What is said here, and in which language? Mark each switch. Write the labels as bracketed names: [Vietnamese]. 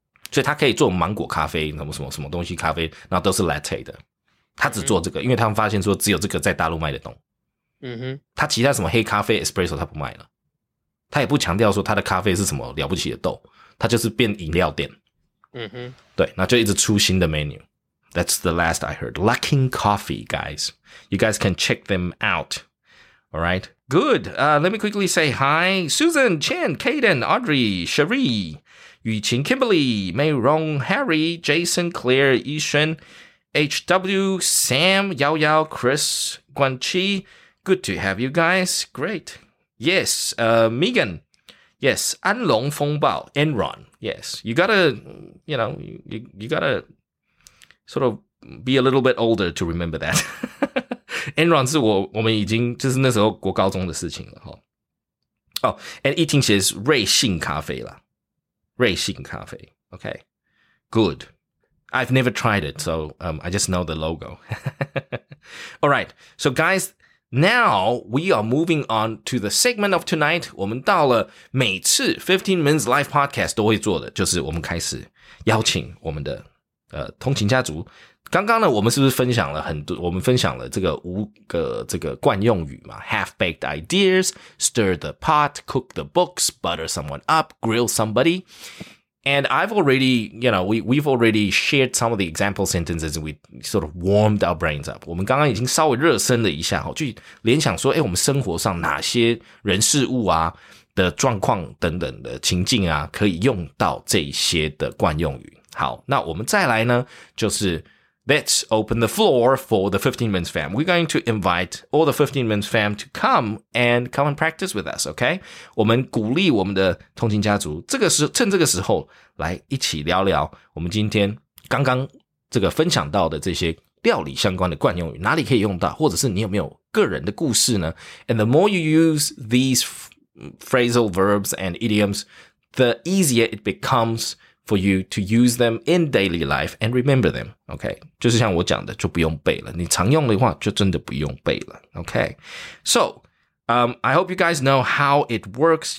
[Chinese] 所以他可以做芒果咖啡什么什么什么东西咖啡，然后都是 latte 的，他只做这个，因为他们发现说只有这个在大陆卖得动。嗯哼，他其他什么黑咖啡 espresso 他不卖了，他也不强调说他的咖啡是什么了不起的豆，他就是变饮料店。嗯哼，对，那就一直出新的 menu。 [English] That's the last I heard. Luckin Coffee, guys, you guys can check them out. Alright, good. Let me quickly say hi. Susan, Chen, Kaden, Audrey, Cherie,雨晴 Kimberly, May Rong, Harry, Jason, Claire, Yishen, HW, Sam, Yao Yao, Chris, Guan Chi. Good to have you guys. Great. Yes, Megan. Yes, 安龙风暴 Enron. Yes, you gotta, you know, you gotta sort of be a little bit older to remember that. [Chinese] Enron 是我们已经就是那时候国高中的事情了。 Oh, and 一听写是瑞幸咖啡啦。 [English] 瑞幸咖啡 ，OK, good. I've never tried it, so I just know the logo. All right, so guys, now we are moving on to the segment of tonight. [Chinese] 我们到了每次15 Minutes Live Podcast 都会做的，就是我们开始邀请我们的通勤家族。刚刚呢，我们是不是分享了很多？我们分享了这个五个这个惯用语嘛 ：half baked ideas, stir the pot, cook the books, butter someone up, grill somebody. [English] And I've already, you know, we've already shared some of the example sentences and we sort of warmed our brains up. [Chinese] 我们刚刚已经稍微热身了一下，去联想说，诶，我们生活上哪些人事物啊的状况等等的情境啊，可以用到这些的惯用语。好，那我们再来呢，就是 [English] Let's open the floor for the 15 Minutes Fam. We're going to invite all the 15 Minutes Fam to come and practice with us, okay? [Chinese] 我们鼓励我们的通勤家族趁这个时候来一起聊聊我们今天刚刚这个分享到的这些料理相关的惯用语，哪里可以用到，或者是你有没有个人的故事呢？ [English] And the more you use these phrasal verbs and idioms, the easier it becomes for you to use them in daily life and remember them, okay? [Chinese] 就是像我讲的，就不用背了。你常用的话，就真的不用背了。 [English] Okay, so, I hope you guys know how it works.